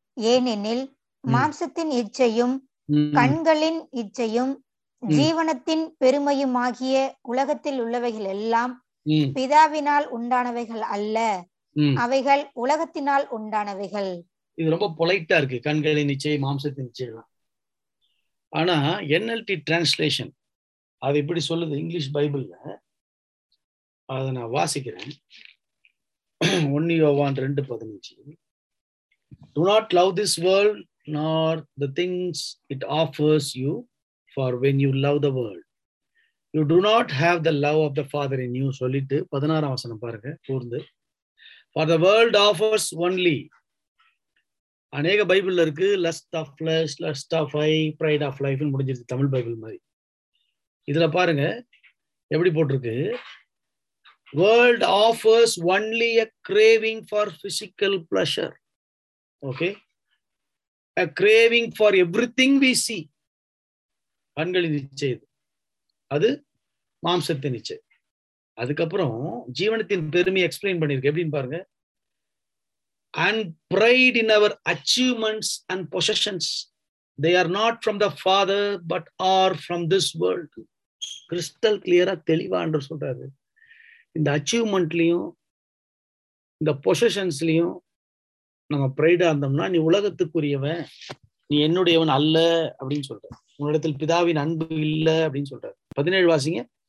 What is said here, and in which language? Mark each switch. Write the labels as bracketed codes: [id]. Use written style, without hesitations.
[ta] ஏனெனில் மாம்சத்தின் இச்சையும் கண்களின் இச்சையும் ஜீவனத்தின் பெருமையும் ஆகிய உலகத்தில் உள்ளவைகள் எல்லாம் பிதாவினால் உண்டானவைகள் அல்ல, அவைகள் உலகத்தினால் உண்டானவைகள். இது ரொம்ப பொலைட்டா இருக்கு, கண்களின் இச்சை மாம்சத்தின் இச்சை. ஆனா என்எல்டி [en] translation [ta] அது இப்படி சொல்லுது இங்கிலீஷ் பைபிள்ல, அதை நான் வாசிக்கிறேன். 1 யோவான் 2:15. [en] Do not love this world nor the things it offers you, for when you love the world you do not have the love of the Father in you. [ta] சொல்லிட்டு 16 வசனம் பாருங்க கூர்ந்து. [en] For the world offers only, [ta] அநேக Bible இருக்கு, [en] lust of flesh, lust of eye, pride of life [ta] முடிஞ்சிருச்சு Tamil Bible மாதிரி. இதுல பாருங்க எப்படி போட்டிருக்கு. [en] World offers only a craving for physical pleasure. Okay, a craving for everything we see. [ta] கண்களின் இச்சை அது, மாம்சத்தின் இச்சை. அதுக்கப்புறம் ஜீவனத்தின் பெருமை [en] explain [ta] பண்ணிருக்கு எப்படின்னு பாருங்க. [en] And pride in our achievements and possessions, they are not from the Father but are from this world. Crystal கிளியரா [ta] தெளிவான்ற சொல்றாரு. இந்த அச்சீவ்மெண்ட்லயும் இந்த பொசஷன்ஸ்லயும் நம்ம பிரைடா இருந்தோம்னா, நீ உலகத்துக்குரியவன், நீ என்னுடையவன் அல்ல அப்படின்னு சொல்ற, உன்னிடத்தில் பிதாவின் அன்பு இல்ல அப்படின்னு சொல்ற. 17 வாசிங்க.